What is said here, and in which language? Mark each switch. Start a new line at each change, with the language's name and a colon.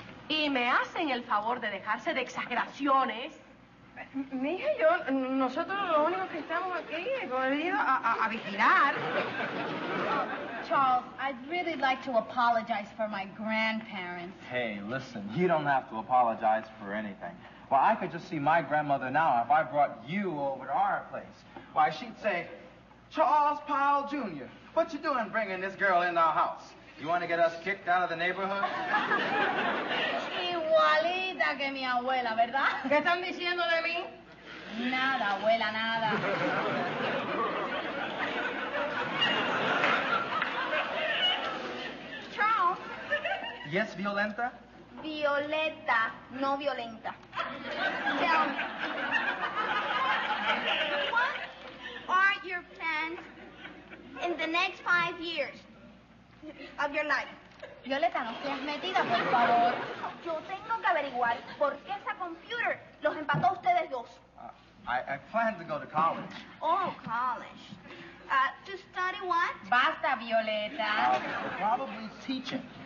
Spanish: Y me hacen el favor de dejarse de exageraciones. Mija, yo, nosotros lo único que estamos aquí es venido a vigilar.
English: Charles, I'd really like to apologize for my grandparents. Hey, listen, you don't have to apologize for anything. Well, I could just see my grandmother now if I brought you over to our place. Why, she'd say, Charles Powell Jr., what you doing bringing this girl into our house? You want to get us kicked out of the neighborhood?
Spanish: Igualita que mi abuela, ¿verdad? ¿Qué están diciendo de mí? Nada, abuela, nada.
English: Charles, Yes, Violenta? Violeta, no Violenta. Tell me. What are your plans in the next 5 years of your life?
Spanish: Violeta, no seas metida, por favor. Yo tengo que averiguar por qué esa computer los empató a ustedes dos.
English: I plan to go to college. Oh, college. To study what?
Spanish: Basta, Violeta.
English: Probably teaching.